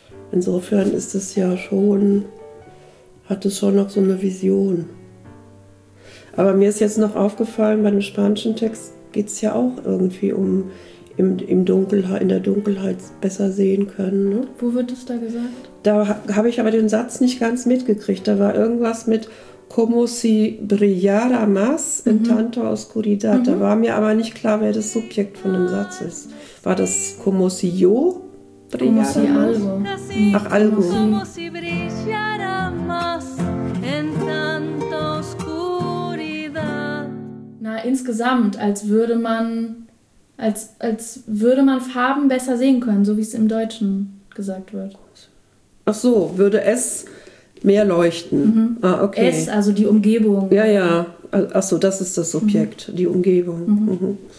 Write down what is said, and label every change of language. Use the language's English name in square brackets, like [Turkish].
[German] Insofern ist es ja schon, hat es schon noch so eine Vision. Aber mir ist jetzt noch aufgefallen, bei dem spanischen Text geht es ja auch irgendwie um in der Dunkelheit besser sehen können. Ne? Wo wird es da gesagt? Da habe ich aber den Satz nicht ganz mitgekriegt. Da war irgendwas mit [Spanish] como si brillara más en tanto oscuridad. [German] Mhm. Da war mir aber nicht klar, wer das Subjekt von dem Satz ist. War das [Spanish] como si yo brillara más? Como si algo. [German] Ach, algo. [Spanish] Como si brillara más en tanto oscuridad. [German] Na, insgesamt, als würde man Farben besser sehen können, so wie es im Deutschen gesagt wird. Ach so, würde es mehr leuchten. Mhm. Ah, okay. Es, also die Umgebung. Ja, ja. Ach so, das ist das Subjekt, die Umgebung.